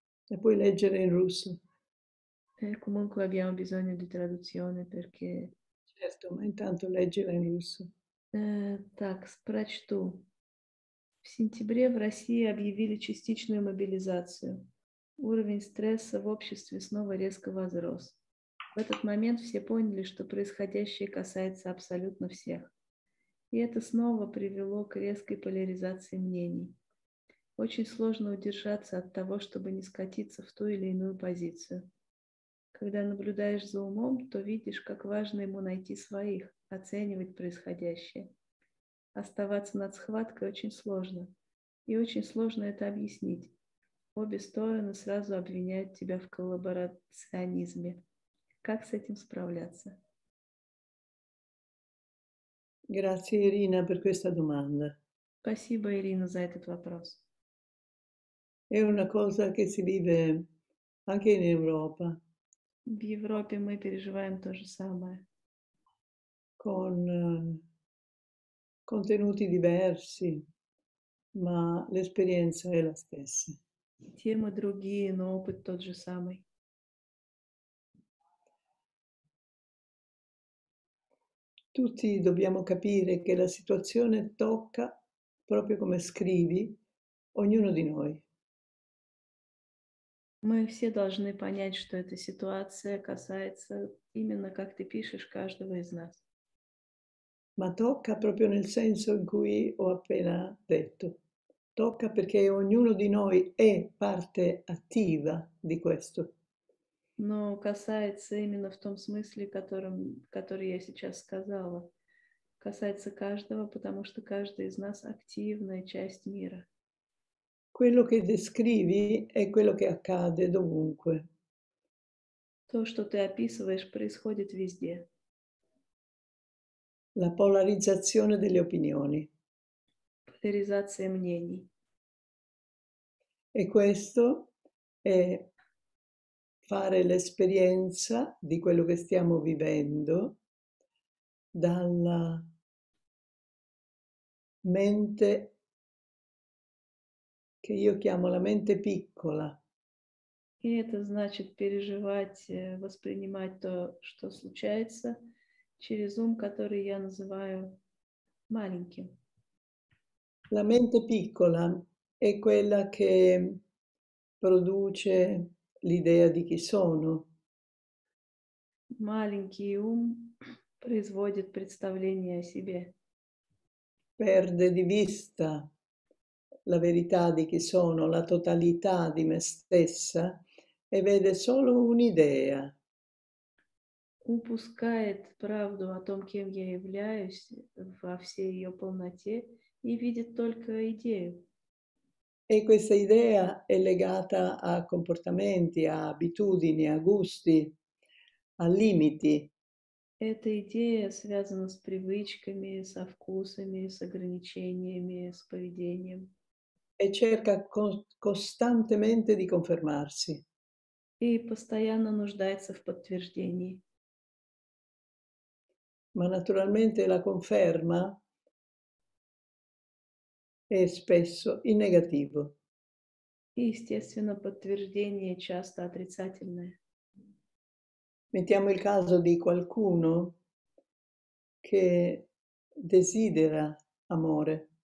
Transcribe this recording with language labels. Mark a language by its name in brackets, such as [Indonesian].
[Italian] La puoi leggere in russo. Comunque abbiamo bisogno di traduzione perché... Certo, ma intanto leggila in russo. [Russian] Так, прочту. В сентябре в России объявили частичную мобилизацию. Уровень стресса в обществе снова резко возрос. В этот момент все поняли, что происходящее касается абсолютно всех. И это снова привело к резкой поляризации мнений. Очень сложно удержаться от того, чтобы не скатиться в ту или иную позицию. Когда наблюдаешь за умом, то видишь, как важно ему найти своих, оценивать происходящее. Оставаться над схваткой очень сложно. И очень сложно это объяснить. Обе стороны сразу обвиняют тебя в коллаборационизме. Как с этим справляться? [Italian] Grazie Irina per questa domanda. [Russian] Спасибо, Ирина, за этот вопрос. [Italian] È una cosa che si vive anche in Europa. [Russian] В Европе мы переживаем то же самое. [Italian] Con contenuti diversi, ma l'esperienza è la stessa. [Russian] Темы другие, но опыт тот же самый. [Italian] Tutti dobbiamo capire che la situazione tocca, proprio come scrivi, ognuno di noi. [Russian] Мы все должны понять, что эта ситуация касается именно, как ты пишешь, каждого из нас. [Italian] Ma tocca proprio nel senso in cui ho appena detto. Tocca perché ognuno di noi è parte attiva di questo. [Russian] Но касается именно в том смысле, который я сейчас сказала. Касается каждого, потому что каждый из нас активная часть мира. [Italian] Quello che descrivi è quello che accade dovunque. [Russian] То, что ты описываешь, происходит везде. [Italian] La polarizzazione delle opinioni. [Russian] Поляризация мнений. [Italian] E questo è fare l'esperienza di quello che stiamo vivendo dalla mente che io chiamo la mente piccola. [Russian] И это значит переживать, воспринимать то, что случается, через ум, который я называю маленьким. [Italian] La mente piccola è quella che produce l'idea di chi sono. [Russian] Маленький ум производит представление о себе. [Italian] Perde di vista la verità di chi sono, la totalità di me stessa e vede solo un'idea. [Russian] Упускает правду о том, кем я являюсь во всей ее полноте и видит только идею. [Italian] E questa idea è legata a comportamenti, a abitudini, a gusti, a limiti. [Russian] Эта идея связана с привычками, со вкусами, с ограничениями, с поведением. [Italian] E cerca costantemente di confermarsi. [Russian] И постоянно нуждается в подтверждении. [Italian] Ma naturalmente la conferma è spesso in negativo. [Russian] Естественно, подтверждение часто отрицательное. [Italian] Mettiamo il caso di qualcuno che desidera amore.